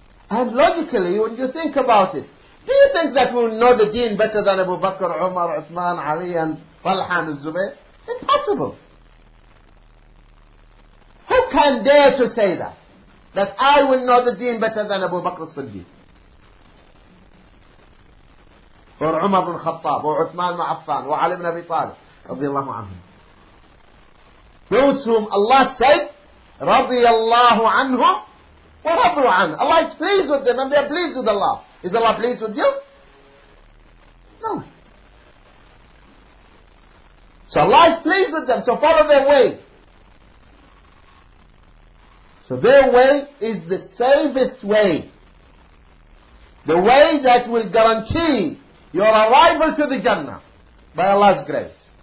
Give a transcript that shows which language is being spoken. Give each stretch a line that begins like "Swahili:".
English: And logically, when you think about it, do you think that we'll know the deen better than Abu Bakr, Umar, Uthman, Ali, and Talha and Zubayr? Impossible. Who can dare to say that? That I will know the deen better than Abu Bakr al-Siddiq? Or Umar ibn Khattab, or Uthman ibn Affan, or Ali ibn Abi Talib, رضي الله عنهم. Those whom Allah said,
Arabic: رضي الله عنهم ورضوا عنه.
English: Allah is pleased with them and they are pleased with Allah. Is Allah pleased with you? No. So Allah is pleased with them, so follow their way. So their way is the safest way. The way that will guarantee your arrival to the Jannah by Allah's grace.